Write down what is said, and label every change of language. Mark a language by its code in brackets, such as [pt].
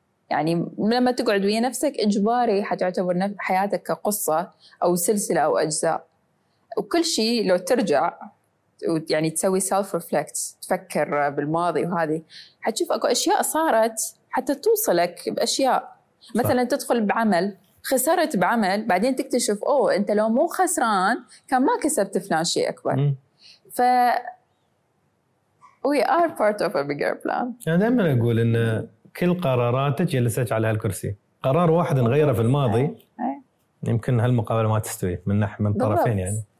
[ar] يعني لما تقعد ويا نفسك إجباري حتعتبر حياتك كقصة أو سلسلة أو أجزاء، وكل شيء لو ترجع يعني تسوي self reflect، تفكر بالماضي وهذه، حتشوف أكو أشياء صارت حتى توصلك بأشياء. مثلاً تدخل بعمل، خسرت بعمل، بعدين تكتشف أوه أنت لو مو خسران كان ما كسبت فلان شيء أكبر. [en] ف we are part of a bigger plan. [ar] أنا دائما أقول إن كل قراراتك جلستك على هالكرسي، قرار واحد نغيره في الماضي يمكن هالمقابلة ما تستوي من ناحية من طرفين يعني.